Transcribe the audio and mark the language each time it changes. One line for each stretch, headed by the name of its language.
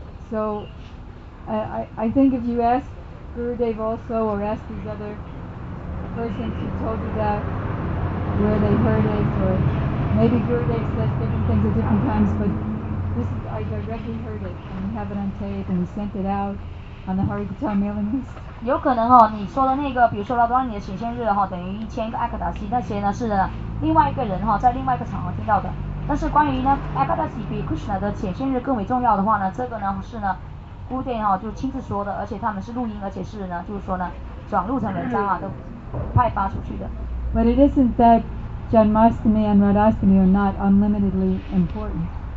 English: So, I think if you ask Guru Day also or ask these other persons who told you that where they heard it or maybe Guru Day says different things at different times, but this is, I directly heard it and we have it on tape and we sent it out on the Hare Krishna mailing list.
Chinese: 有可能你说的那个比如说拉多尼的显现日等于一千个阿克达西那些呢是另外一个人在另外一个场合听到的但是关于呢阿克达西比 Krishna 的显现日更为重要的话呢这个呢是呢 Guru Day 就亲自说的而且他们是录音而且是呢就是说呢转录成文章都派发出去的
English: But it isn't that Janmashtami and Radhashtami are not unlimitedly important